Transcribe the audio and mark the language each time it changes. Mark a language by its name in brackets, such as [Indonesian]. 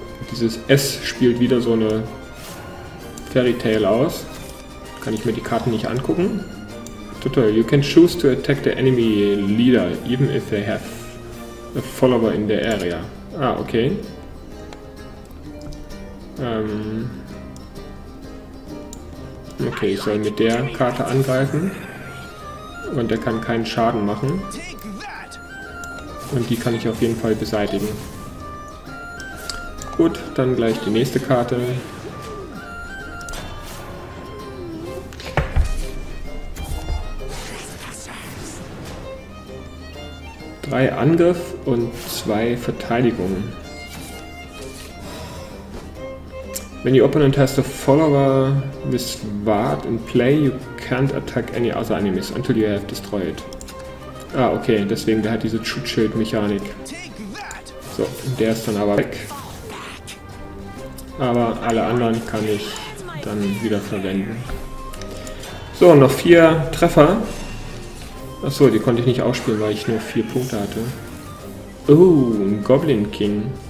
[German] Dieses S spielt wieder so eine Fairy Tale aus. Kann ich mir die Karten nicht angucken. Tutorial. [English] You can choose to attack the enemy leader, even if they have a follower in the area. Ah, okay. [German] Okay, ich soll mit der Karte angreifen. Und der kann keinen Schaden machen. Und die kann ich auf jeden Fall beseitigen. Gut, dann gleich die nächste Karte. Drei Angriff und 2 Verteidigung. [English] When your opponent has a follower with ward in play, you can't attack any other enemies until you have destroyed. [German] Ah, okay, deswegen, der hat diese Schutzschild-Mechanik. So, der ist dann aber weg. Aber alle anderen kann ich dann wieder verwenden. So, noch 4 Treffer. Achso, die konnte ich nicht ausspielen, weil ich nur 4 Punkte hatte. Oh, ein Goblin King.